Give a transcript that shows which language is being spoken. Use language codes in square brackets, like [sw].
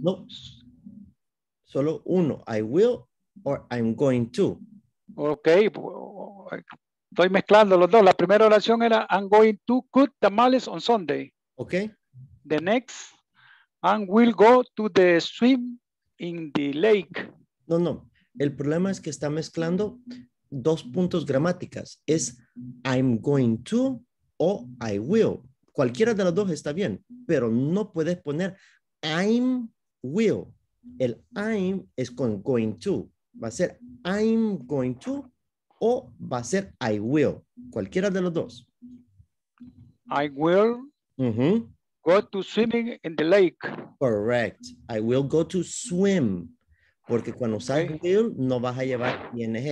[en] No. [es] Solo uno. [en] I will or I'm going to. [es] Okay. Estoy mezclando los dos. La primera oración era, [en] I'm going to cook tamales on Sunday. Okay. The next, and will go to the swim in the lake. [es] No, no. El problema es que está mezclando dos puntos gramáticas. Es I'm going to o I will. Cualquiera de las dos está bien, pero no puedes poner I'm will. El I'm es con going to. Va a ser I'm going to o va a ser I will. Cualquiera de los dos. [en] I will go to swimming in the lake. Correct. I will go to swim. [es] Porque cuando usas will, no vas a llevar ING.